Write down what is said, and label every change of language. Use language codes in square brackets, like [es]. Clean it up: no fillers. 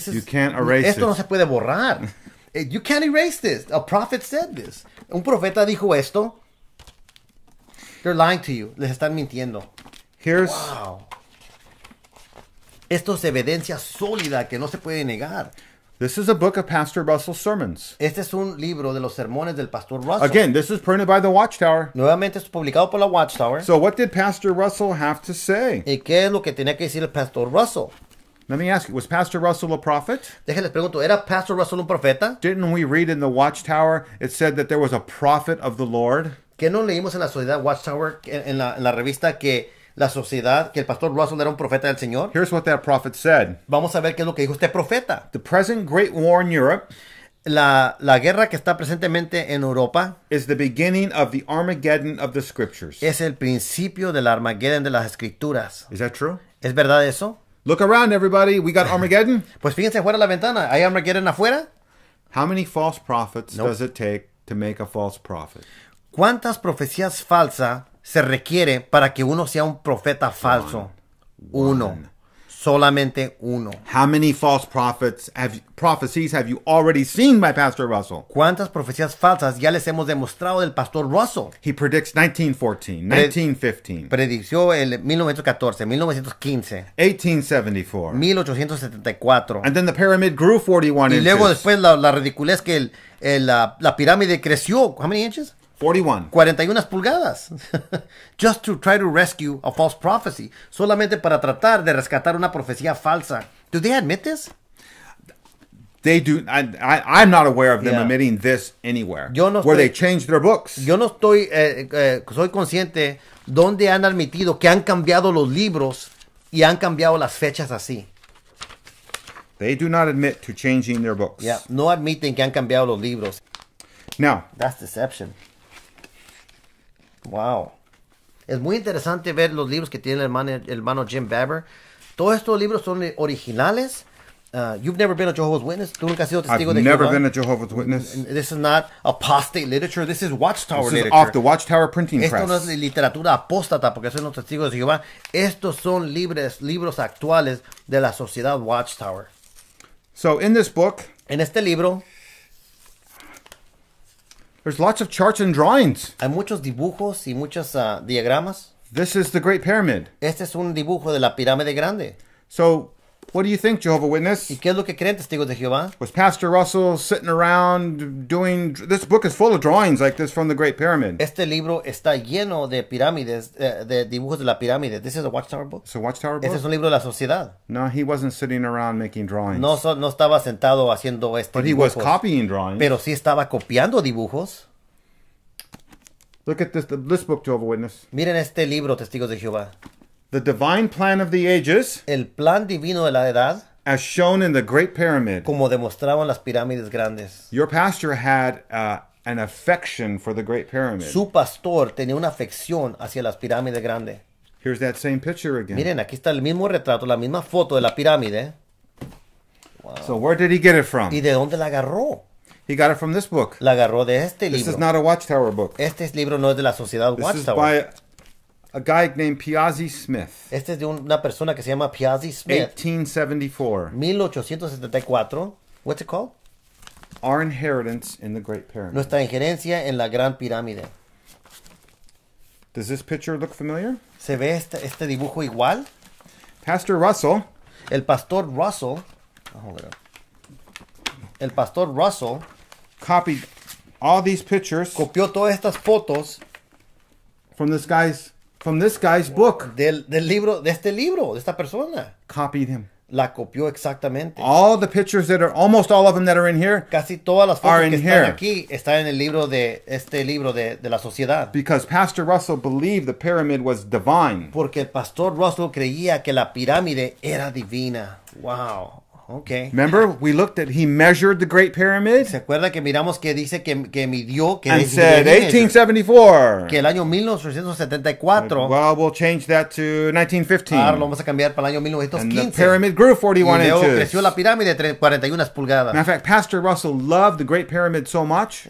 [en] You can't erase [es] esto [en] it. [es] No se puede borrar. [en] You can't erase this. A prophet said this. [es] Un profeta dijo esto. [en] They're lying to you. [es] Les están mintiendo. [en] Here's. Wow. [es] Esto es evidencia sólida que no se puede negar. [en] This is a book of Pastor Russell's sermons. [es] Este es un libro de los sermones del Pastor Russell. [en] Again, this is printed by the Watchtower. [es] Nuevamente es publicado por la Watchtower. [en] So what did Pastor Russell have to say? [es] ¿Y qué es lo que tenía que decir el Pastor Russell? [en] Let me ask you, was Pastor Russell a prophet? [es] Déjenles pregunto, ¿era Pastor Russell un profeta? [en] Didn't we read in the Watchtower, it said that there was a prophet of the Lord? [es] ¿Qué no leímos en la Sociedad Watchtower, en la revista, que la sociedad, que el Pastor Russell era un profeta del Señor? [en] Here's what that prophet said. [es] Vamos a ver qué es lo que dijo este profeta. [en] The present great war in Europe, [es] la guerra que está presentemente en Europa, [en] is the beginning of the Armageddon of the Scriptures. [es] Es el principio del Armageddon de las Escrituras. [en] Is that true? [es] ¿Es verdad eso? [en] Look around, everybody. We got Armageddon. [es] Pues fíjense fuera de la ventana. ¿Hay Armageddon afuera? [en] How many false prophets does it take to make a false prophet? [es] ¿Cuántas profecías falsas se requiere para que uno sea un profeta falso? [en] One. [es] Solamente uno. [en] How many false prophecies have you already seen by Pastor Russell? [es] ¿Cuántas profecías falsas ya les hemos demostrado del Pastor Russell? [en] He predicts 1914, 1915. [es] Predicció el 1914, 1915. [en] 1874. [es] 1874. [en] And then the pyramid grew 41 inches. [es] Y luego después la ridiculez que la pirámide creció. [en] How many inches? 41. [es] 41 pulgadas. [en] Just to try to rescue a false prophecy. [es] Solamente para tratar de rescatar una profecía falsa. [en] Do they admit this? They do. I'm not aware of them admitting this anywhere. [es] Yo no [en] where they change their books. [es] Yo no estoy, soy consciente donde han admitido que han cambiado los libros y han cambiado las fechas así. [en] They do not admit to changing their books. [es] Yeah, no admiten que han cambiado los libros. [en] Now. That's deception. [es] Wow. Es muy interesante ver los libros que tiene el hermano Jim Babber. Todos estos libros son originales. [en] You've never been a Jehovah's Witness. [es] ¿Tú nunca has sido testigo [en] I've [es] de Jehová? [en] I've never been a Jehovah's Witness. This is not apostate literature. This is Watchtower literature. This is off the Watchtower printing [es] Esto [en] press. [es] Esto no es literatura apóstata porque son los testigos de Jehová. Estos son libros actuales de la sociedad Watchtower. [en] So in this book, [es] en este libro, [en] there's lots of charts and drawings. [es] Hay muchos dibujos y muchos diagramas. [en] This is the Great Pyramid. [es] Este es un dibujo de la pirámide grande. [en] So, what do you think, Jehovah Witness? [es] ¿Y qué es lo que creen, testigos de Jehová? [en] Was Pastor Russell sitting around doing... This book is full of drawings like this from the Great Pyramid. [es] Este libro está lleno de pirámides, de dibujos de la pirámide. [en] This is a Watchtower book. It's a Watchtower book? [es] Este es un libro de la sociedad. [en] No, he wasn't sitting around making drawings. [es] No estaba sentado haciendo este [en] But [es] dibujo. [en] He was copying drawings. [es] Pero sí estaba copiando dibujos. [en] Look at this book, Jehovah Witness. [es] Miren este libro, testigos de Jehová. [en] The divine plan of the ages, [es] el plan divino de la edad, [en] as shown in the Great Pyramid, [es] como demostraban las pirámides grandes. [en] Your pastor had an affection for the Great Pyramid. [es] Su pastor tenía una afección hacia las pirámides grandes. [en] Here's that same picture again. [es] Miren, aquí está el mismo retrato, la misma foto de la pirámide. [en] Wow. So where did he get it from? [es] ¿Y de dónde la agarró? [en] He got it from this book. [es] La agarró de este [en] this [es] libro. [en] This is not a Watchtower book. [es] Este libro no es de la sociedad [en] this [es] Watchtower. [en] This is by a guy named Piazzi Smith. [es] Este es de una persona que se llama Piazzi Smith. [en] 1874. What's it called? Our inheritance in the Great Pyramid. [es] Nuestra injerencia en la Gran Pirámide. [en] Does this picture look familiar? [es] ¿Se ve este dibujo igual? [en] Pastor Russell. [es] El pastor Russell. [en] Hold on. [es] El pastor Russell [en] copied all these pictures. [es] Copió todas estas fotos [en] from this guy's book. [es] Del libro de este libro de esta persona. [en] Copied him. [es] La copió exactamente. [en] All the pictures that are almost all of them that are in here. [es] Casi todas las fotos que están aquí están en el libro de este libro de la sociedad. [en] Because Pastor Russell believed the pyramid was divine. [es] Porque el pastor Russell creía que la pirámide era divina. [en] Wow. Okay. Remember, we looked at, he measured the Great Pyramid. [es] ¿Se acuerda que miramos que dice que midió? Que [en] and said, 1874. [es] Que el año 1974. [en] Well, we'll change that to 1915. [es] Ahora lo vamos a cambiar para el año 1915. [en] And the pyramid grew 41 [es] y luego [en] inches. [es] Y creció la pirámide 41 pulgadas. [en] Matter of fact, Pastor Russell loved the Great Pyramid so much.